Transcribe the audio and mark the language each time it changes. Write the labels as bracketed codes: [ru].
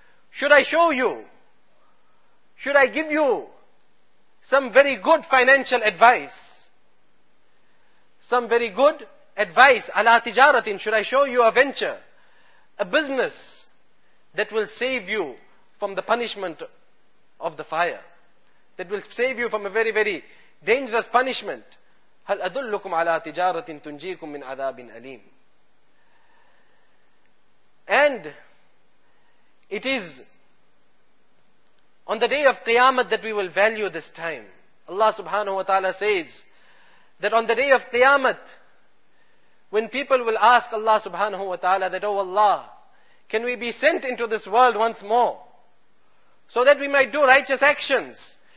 [en] Should I show you, should I give you some very good financial advice? Some very good advice. [ar] عَلَىٰ تِجَارَةٍ. [en] Should I show you a venture, a business that will save you from the punishment of the fire, that will save you from a very, very dangerous punishment? [ar] هَلْ أَدُلُّكُمْ عَلَىٰ تِجَارَةٍ تُنْجِيكُمْ مِنْ عَذَابٍ أَلِيمٍ. [en] And it is On the day of Qiyamah that we will value this time. Allah subhanahu wa ta'ala says that on the day of Qiyamah, when people will ask Allah subhanahu wa ta'ala that, oh Allah, can we be sent into this world once more so that we might do righteous actions?